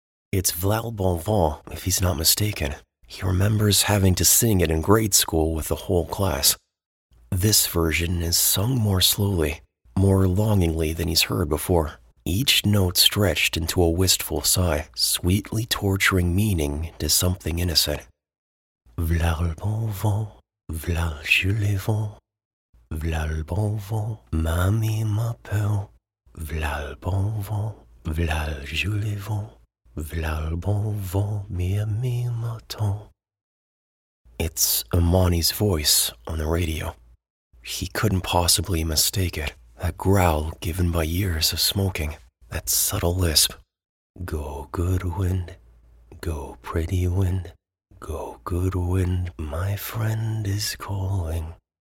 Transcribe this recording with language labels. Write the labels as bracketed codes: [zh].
[en] It's V'là le bon vent, if he's not mistaken. He remembers having to sing it in grade school with the whole class. This version is sung more slowly, more longingly than he's heard before. Each note stretched into a wistful sigh, sweetly torturing meaning to something innocent. [fr] V'là le bon vent, v'là le joli vent, v'là le bon vent, mamie m'appelle. V'là le bon vent, v'là le joli vent, v'là le bon vent, mi ami m'attend. [en] It's Amani's voice on the radio. He couldn't possibly mistake it. That growl given by years of smoking. That subtle lisp. Go good wind, go pretty wind, go good wind, my friend is calling.